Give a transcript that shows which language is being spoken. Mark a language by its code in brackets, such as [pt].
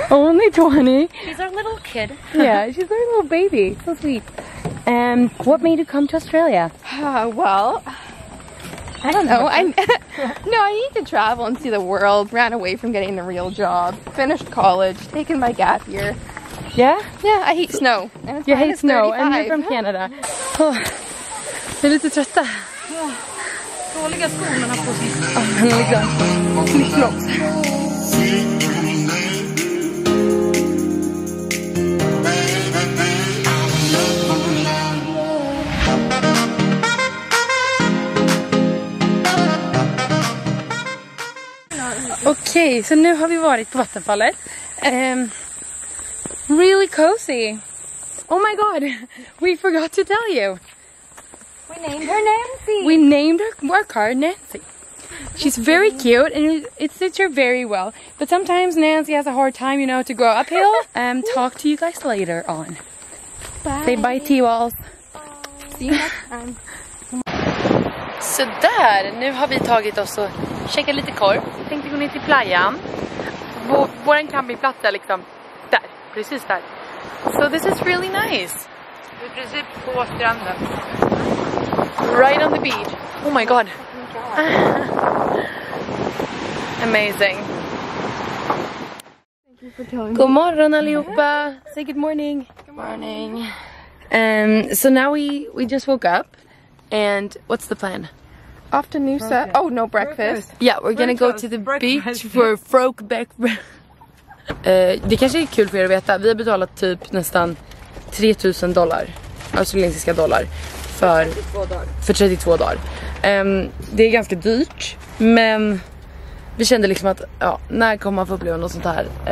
[en] Only 20? She's our little kid. Yeah, she's our little baby. So sweet. And what made you come to Australia? Well, I don't know. No, I need to travel and see the world. Ran away from getting the real job. Finished college. Taken my gap year. Yeah? Yeah, I hate snow. You hate snow, 35. And you're from Canada. Oh. [sv] Vi är lite trötta. dåliga skorna på sig. Han är liksom flip-flops. Okej, så nu har vi varit på vattenfallet. [en] Really cozy. Oh my god, we forgot to tell you. We named her Nancy. We named our car Nancy. She's very cute and it suits her very well. But sometimes Nancy has a hard time, you know, to go uphill. Talk to you guys later on. Bye. Say bye, T-Walls. See you next time. [sv] Så där, nu har vi tagit oss och checkat lite korv. Tänkte gå ner till playan. Vår campingplats är liksom där, precis där. [en] So this is really nice. [sv] Vi är precis på stranden. [en] Right on the beach. Oh my god. Amazing. [sv] God morgon allihopa. [en] Say good morning. Good morning. So now we just woke up. And what's the plan? Off to Noosa. Okay. Oh, no breakfast. Yeah, we're gonna go to the beach for frog breakfast. [sv] Det kanske är kul för er att veta. Vi har betalat typ nästan 3000 dollar. Australiensiska dollar. För 32 dagar. Det är ganska dyrt. Men vi kände liksom att ja, när kommer man få uppleva något sånt här?